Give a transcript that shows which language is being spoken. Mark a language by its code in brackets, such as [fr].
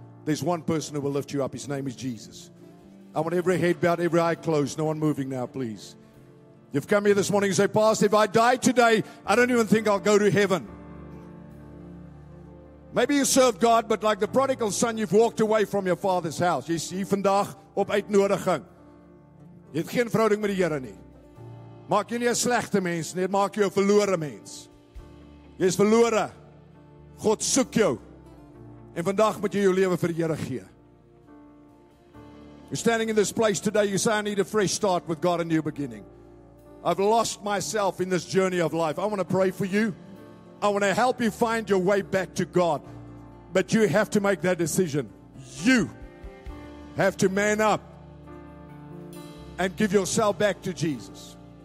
[en] There's one person who will lift you up. His name is Jesus. I want every head bowed, every eye closed. No one moving now, please. You've come here this morning and say, Pastor, if I die today, I don't even think I'll go to heaven. Maybe you serve God, but like the prodigal son, you've walked away from your father's house. [af] Jy is hier vandag op uitnodiging. Jy het geen verhouding met die Here nie. Maak jy nie 'n slegte mens nie, maak jy 'n verlore mens. Jy is verlore. God soek jou. En vandag moet jy jou lewe vir die Here gee. [en] You're standing in this place today, you say, I need a fresh start with God, a new beginning. I've lost myself in this journey of life. I want to pray for you. I want to help you find your way back to God. But you have to make that decision. You have to man up and give yourself back to Jesus.